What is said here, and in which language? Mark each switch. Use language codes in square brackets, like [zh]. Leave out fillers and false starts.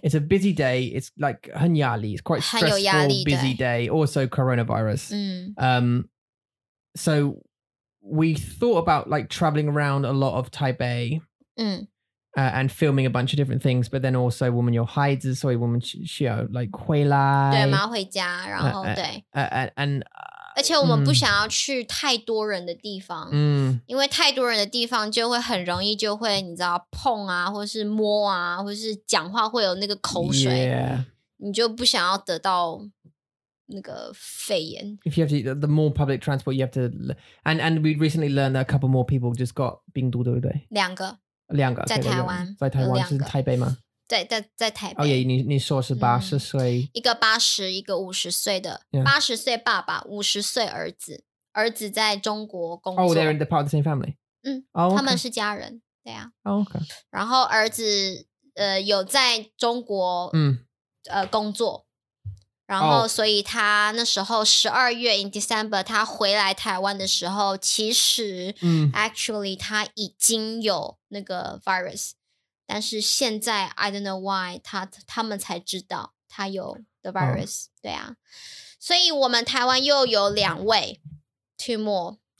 [en] It's a busy day. It's like [zh] 很压力 [en] It's quite stressful, busy day. Also coronavirus.、So we thought about like traveling around a lot of Taipei、and filming a bunch of different things. But then also [zh] 我们有孩子所以我们需要 [en] like [zh] 回来对妈回家然后对 而且我们不想要去太多人的地方、因为太多人的地方就会很容易就会你知道碰啊或是摸啊或是讲话会有那个口水、你就不想要得到那个肺炎 [en] If you have to, the more public transport you have to and we recently learned that a couple more people just got [zh] 病毒对不对两个 [en] okay, [zh] 在台湾在台湾是台北吗对 在台北 [en] oh yeah, [zh] 你说是80岁、一个80一个50岁的、80岁爸爸50岁儿子儿子在中国工作 [en] Oh they're in the part of the same family、 oh, okay. [zh] 他们是家人对啊、 [en] oh, okay. [zh] 然后儿子、有在中国、工作然后所以他那时候12月 [en] in December [zh] 他回来台湾的时候其实、 [en] actually [zh] 他已经有那个 virus但是现在 [en] I don't know why [zh] 他们才知道他有 the virus、对啊所以我们台湾又有两位 [en] two more